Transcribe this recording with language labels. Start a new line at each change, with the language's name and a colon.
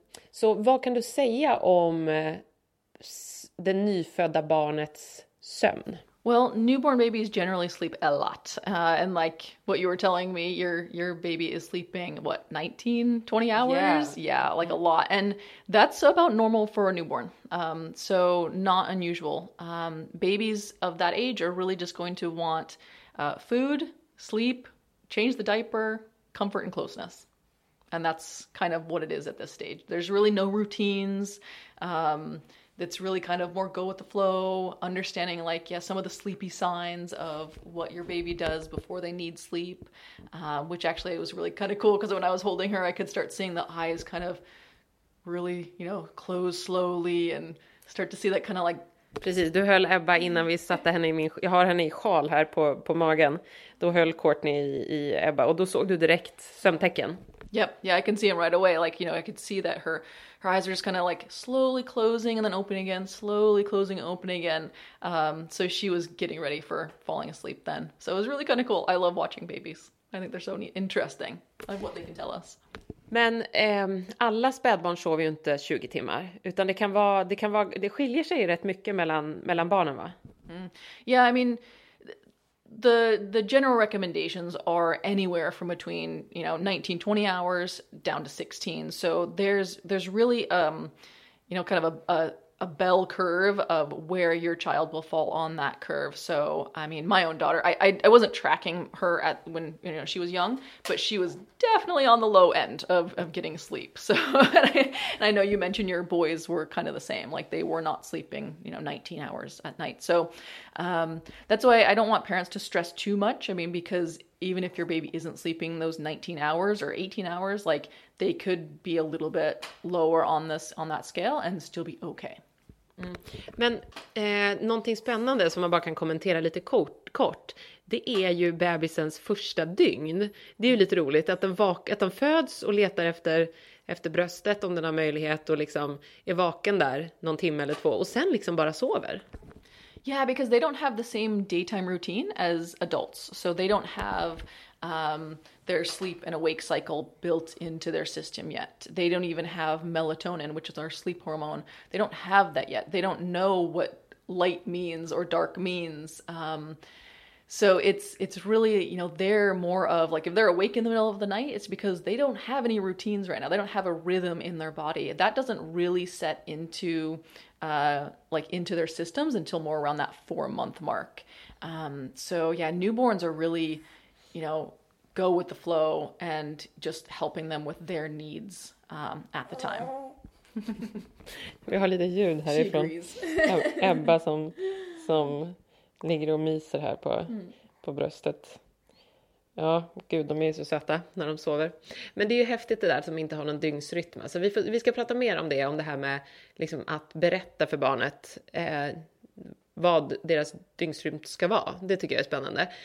Swedish: Så vad kan du säga om det nyfödda barnets sömn?
English: Well, newborn babies generally sleep a lot. And like what you were telling me, your baby is sleeping, what, 19, 20 hours? Yeah, like a lot. And that's about normal for a newborn. So not unusual. Babies of that age are really just going to want food, sleep, change the diaper, comfort and closeness. And that's kind of what it is at this stage. There's really no routines. It's really kind of more go with the flow, understanding like, yeah, some of the sleepy signs of what your baby does before they need sleep, which actually it was really kind of cool because when I was holding her, I could start seeing the eyes kind of really, you know, close slowly and start to see that kind of like...
Swedish: Precis, du höll Ebba innan vi satte henne i min... Jag har henne i sjal här på magen. Då höll Courtney i Ebba och då såg du direkt sömntecken.
English: Yeah, I can see him right away. Like, you know, I could see that her eyes are just kind of like slowly closing and then opening again, slowly closing and opening again. So she was getting ready for falling asleep then. So it was really kind of cool. I love watching babies. I think they're so interesting, like what they can tell us.
Swedish: Men alla spädbarn sover ju inte 20 timmar, utan det kan vara det skiljer sig rätt mycket mellan barnen, va?
English: Yeah, I mean, the general recommendations are anywhere from between, you know, 19, 20 hours down to 16. So there's really, you know, kind of a bell curve of where your child will fall on that curve. So, I mean, my own daughter, I wasn't tracking her at when, you know, she was young, but she was definitely on the low end of getting sleep. So, and I know you mentioned your boys were kind of the same, like they were not sleeping, you know, 19 hours at night. So, that's why I don't want parents to stress too much. I mean, because even if your baby isn't sleeping those 19 hours or 18 hours, like they could be a little bit lower on that scale and still be okay. Mm.
Swedish: Men någonting spännande som man bara kan kommentera lite kort, det är ju bebisens första dygn. Det är ju lite roligt att den föds och letar efter bröstet om den har möjlighet och liksom är vaken där någon timme eller två och sen liksom bara sover.
English: Yeah, because they don't have the same daytime routine as adults. So they don't have their sleep and awake cycle built into their system yet. They don't even have melatonin, which is our sleep hormone. They don't have that yet. They don't know what light means or dark means. So it's really, you know, they're more of like, if they're awake in the middle of the night, it's because they don't have any routines right now. They don't have a rhythm in their body. That doesn't really set into their systems until more around that 4 month mark. So yeah, newborns are really, you know, go with the flow and just helping them with their needs at the time.
Swedish: Vi har lite ljud härifrån. Ebba som ligger och myser här på bröstet. Ja, gud, de är så söta när de sover. Men det är ju häftigt det där som inte har någon dygnsrytm. Så vi ska prata mer om det, med liksom att berätta för barnet vad deras dygnsrytm ska vara. Det tycker jag är spännande.